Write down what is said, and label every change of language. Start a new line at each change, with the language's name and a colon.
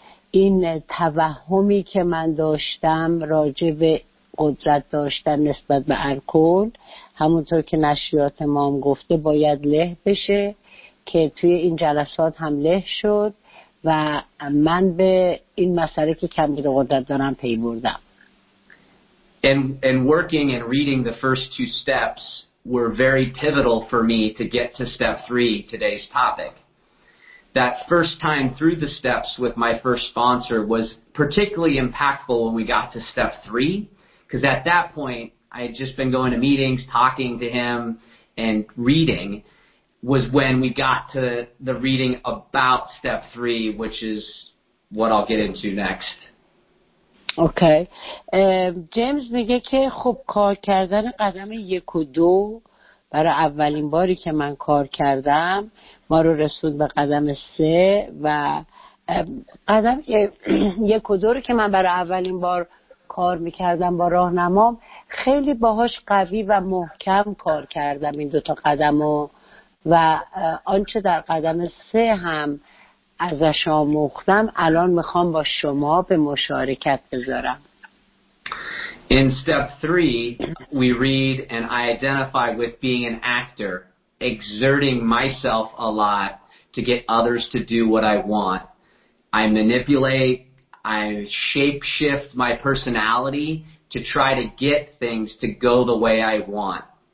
Persian: این توهمی که من داشتم راجع به قدرت داشتن نسبت به الکل، همونطور که نشریات مام گفته باید له بشه، که توی این جلسات هم له شد و من به این مسئله که کمبود قدرت دارم پی بردم.
English: And working and reading the first two steps were very pivotal for me to get to step three, today's topic. That first time through the steps with my first sponsor was particularly impactful when we got to step three, because at that point I had just been going to meetings, talking to him, and reading was when we got to the reading about step three, which is what I'll get into next. Okay.
Persian: James میگه که خب کار کردن قدم یک و دو برای اولین باری که من کار کردم ما رو رسوند به قدم سه و قدم یک و دو رو که من برای اولین بار کار میکردم با راهنمام خیلی باهاش قوی و محکم کار کردم این دوتا قدم رو و آنچه در قدم سه هم ازش آموختم الان میخوام با شما به مشارکت بذارم.
English: In step three, we read and I identify with being an actor, exerting myself a lot to get others to do what I want. I manipulate, I shape-shift my personality to try to get things to go the way I want.